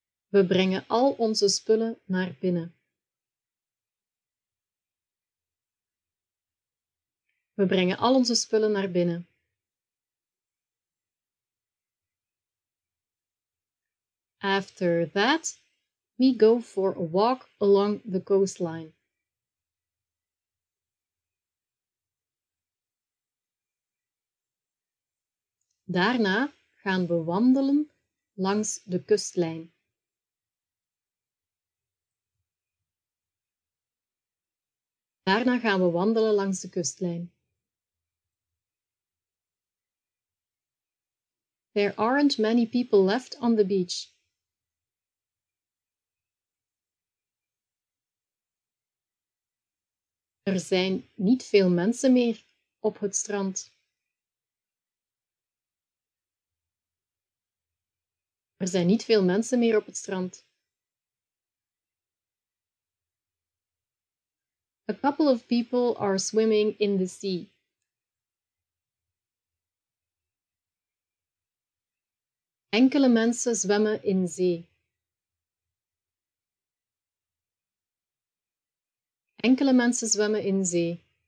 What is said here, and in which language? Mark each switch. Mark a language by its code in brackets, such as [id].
[nl] We brengen al onze spullen naar binnen. We brengen al onze spullen naar binnen. [en] After that, we go for a walk along the coastline. [nl] Daarna gaan we wandelen langs de kustlijn. Daarna gaan we wandelen langs de kustlijn. [en] There aren't many people left on the beach. [nl] Er zijn niet veel mensen meer op het strand. Er zijn niet veel mensen meer op het strand. [en] A couple of people are swimming in the sea. [nl] Enkele mensen zwemmen in zee. Enkele mensen zwemmen in zee.